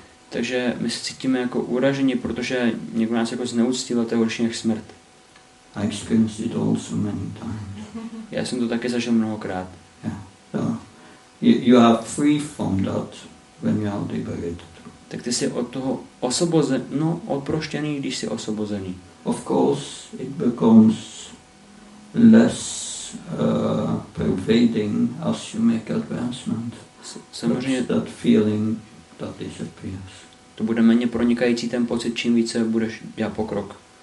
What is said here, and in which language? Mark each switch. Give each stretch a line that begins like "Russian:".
Czech: Takže my se cítíme jako uraženi, protože někdo nás jako zneuctil, a to je horší než smrt.
English: I experienced it also many times.
Czech: Já jsem to také zažil mnohokrát.
English: Yeah. So, you are free from that when you are liberated.
Czech: Tak ty jsi od toho odproštěný, když jsi osobozený.
English: Of course, it becomes less pervading as you make advancement.
Czech: Samozřejmě
English: that feeling that disappears.
Czech: To bude méně pronikající ten pocit, čím více budeš dělat pokrok.